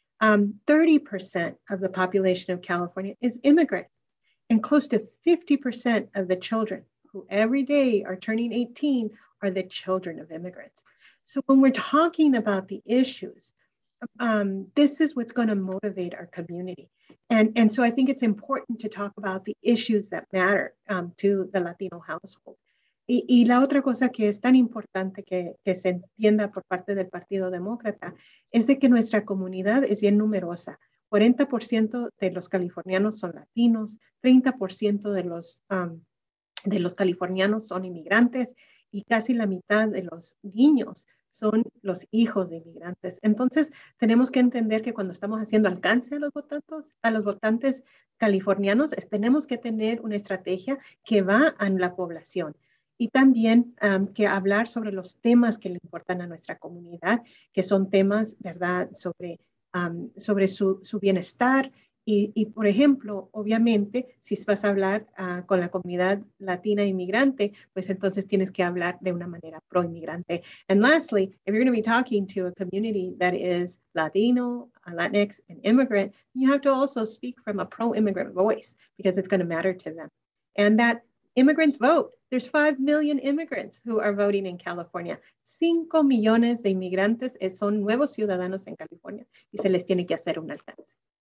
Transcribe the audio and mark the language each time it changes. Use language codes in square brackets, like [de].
[en] 30% of the population of California is immigrant, and close to 50% of the children who every day are turning 18 are the children of immigrants. So when we're talking about the issues, this is what's going to motivate our community. And so I think it's important to talk about the issues that matter to the Latino household. [es] Y la otra cosa que es tan importante que se entienda por parte del Partido Demócrata es de que nuestra comunidad es bien numerosa. 40% de los californianos son latinos, 30% de los californianos son inmigrantes, y casi la mitad de los niños son los hijos de inmigrantes. Entonces, tenemos que entender que cuando estamos haciendo alcance a los votantes californianos, tenemos que tener una estrategia que va a la población. Y también que hablar sobre los temas que le importan a nuestra comunidad, que son temas, ¿verdad?, sobre su bienestar. Y por ejemplo, obviamente, si vas a hablar con la comunidad latina inmigrante, pues entonces tienes que hablar de una manera pro-inmigrante. [en] And lastly, if you're going to be talking to a community that is Latino, Latinx, and immigrant, you have to also speak from a pro-immigrant voice, because it's going to matter to them. And that immigrants vote. There's 5 million immigrants who are voting in California. [es] 5 millones de inmigrantes son nuevos ciudadanos en California y se les tiene que hacer un alcance.